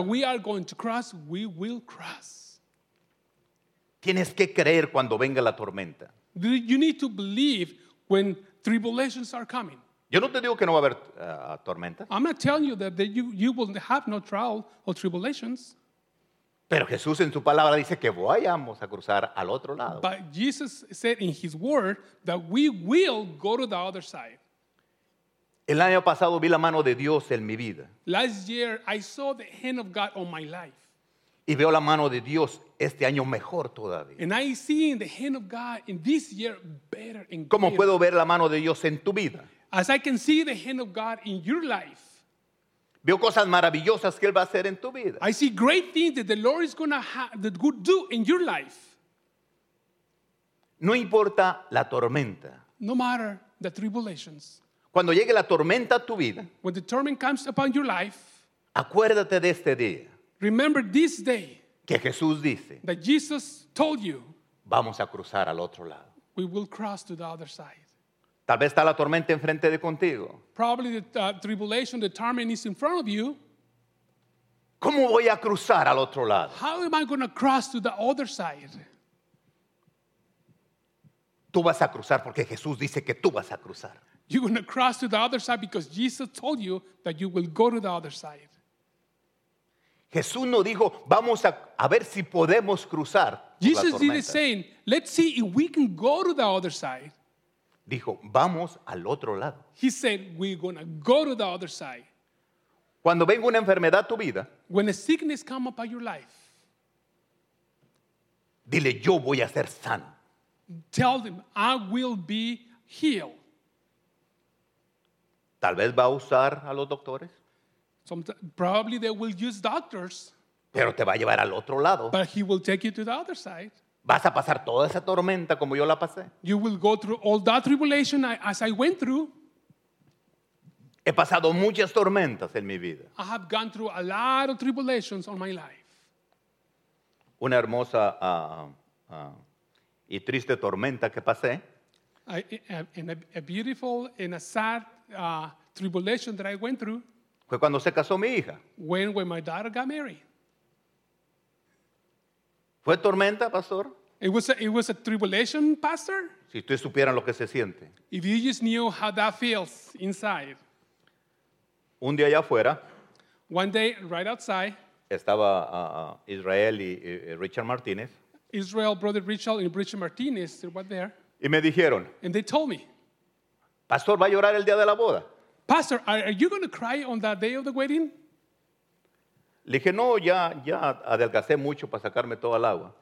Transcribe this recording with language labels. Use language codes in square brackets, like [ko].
[en] That we are going to cross, we will cross. [es] Tienes que creer cuando venga la tormenta. [en] You need to believe when tribulations are coming. [es] Yo no te digo que no va a haber tormenta. [en] I'm not telling you that you will have no trial or tribulations. [es] Pero Jesús en su palabra dice que vayamos a cruzar al otro lado. [en] But Jesus said in his word that we will go to the other side. [es] El año pasado vi la mano de Dios en mi vida. [en] Last year I saw the hand of God on my life. [es] Y veo la mano de Dios este año mejor todavía. [en] And I see the hand of God in this year better and greater. [es] ¿Cómo puedo ver la mano de Dios en tu vida? [en] As I can see the hand of God in your life. [es] Veo cosas maravillosas que Él va a hacer en tu vida. [en] I see great things that the Lord is going to do in your life. [es] No importa la tormenta. [en] No matter the tribulations. [es] Cuando llegue la tormenta a tu vida. [en] When the torment comes upon your life. [es] Acuérdate de este día. [en] Remember this day. [es] Que Jesús dice. [en] That Jesus told you. [es] Vamos a cruzar al otro lado. [en] We will cross to the other side. [es] Tal vez está la tormenta enfrente de contigo. [en] Probably the tribulation, the torment is in front of you. [es] ¿Cómo voy a cruzar al otro lado? [en] How am I going to cross to the other side? [es] Tú vas a cruzar porque Jesús dice que tú vas a cruzar. [en] You're going to cross to the other side because Jesus told you that you will go to the other side. [es] Jesús no dijo, vamos a ver si podemos cruzar. [en] Jesus didn't say, let's see if we can go to the other side. [es] Dijo, vamos al otro lado. [en] He said, we're going to go to the other side. [es] Cuando venga una enfermedad a tu vida, [en] when a sickness comes upon your life, [es] dile, yo voy a ser sano. [en] Tell them, I will be healed. [es] Tal vez va a usar a los doctores. [en] Probably they will use doctors. [es] Pero te va a llevar al otro lado. [en] But he will take you to the other side. [es] Vas a pasar toda esa tormenta como yo la pasé. [en] You will go through all that tribulation as I went through. [es] He pasado muchas tormentas en mi vida. [en] I have gone through a lot of tribulations on my life. [es] Una hermosa y triste tormenta que pasé. [en] A beautiful and a sad tribulation that I went through. [es] Fue cuando se casó mi hija. [en] When my daughter got married. [es] ¿Fue tormenta, pastor? [en] It was a tribulation, pastor? [es] Si ustedes supieran lo que se siente. [en] If you just knew how that feels inside. [es] Un día allá afuera. [en] One day, right outside. [es] Estaba Israel y Richard Martínez. [en] Israel, brother Richard and Richard Martínez, they were there. [es] Y me dijeron. [en] And they told me. [es] Pastor, ¿va a llorar el día de la boda? [en] Pastor, are you going to cry on that day of the wedding? [es] Le dije, no, ya adelgacé mucho para sacarme toda el agua.